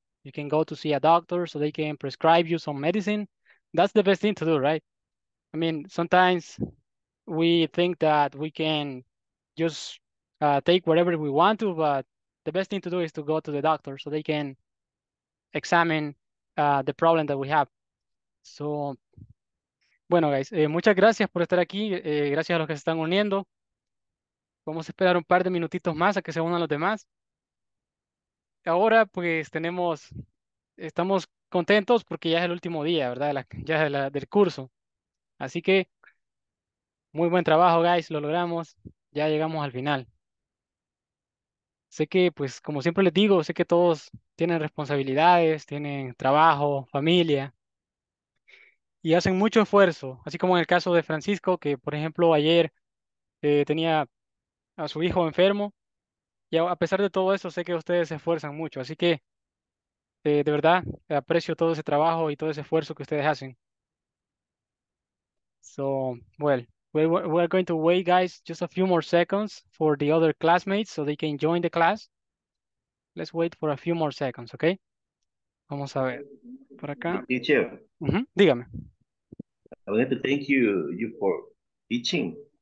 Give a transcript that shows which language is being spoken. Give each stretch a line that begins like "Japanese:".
English: You can go to see a doctor so they can prescribe you some medicine. That's the best thing to do, right? I mean, sometimes we think that we can just take whatever we want to, but the best thing to do is to go to the doctor so they can examine the problem that we have.
Spanish: So, bueno, guys, muchas gracias por estar aquí. Gracias a los que se están uniendo. Vamos a esperar un par de minutitos más a que se unan los demás. Ahora, pues, estamos contentos porque ya es el último día, ¿verdad? Del curso. Así que, muy buen trabajo, guys, lo logramos. Ya llegamos al final. Sé que, pues, como siempre les digo, sé que todos tienen responsabilidades, tienen trabajo, familia, y hacen mucho esfuerzo, así como en el caso de Francisco, que, por ejemplo, ayer tenía a su hijo enfermo, y a pesar de todo eso, sé que ustedes se esfuerzan mucho, así que, de verdad, aprecio todo ese trabajo y todo ese esfuerzo que ustedes hacen.
English: So, well, we're going to wait, guys, just a few more seconds for the other classmates so they can join the class. Let's wait for a few more seconds, okay?
Spanish: Vamos a ver. Por acá.
English: Teacher.
Spanish: Dígame.
English: I want to thank you for teaching.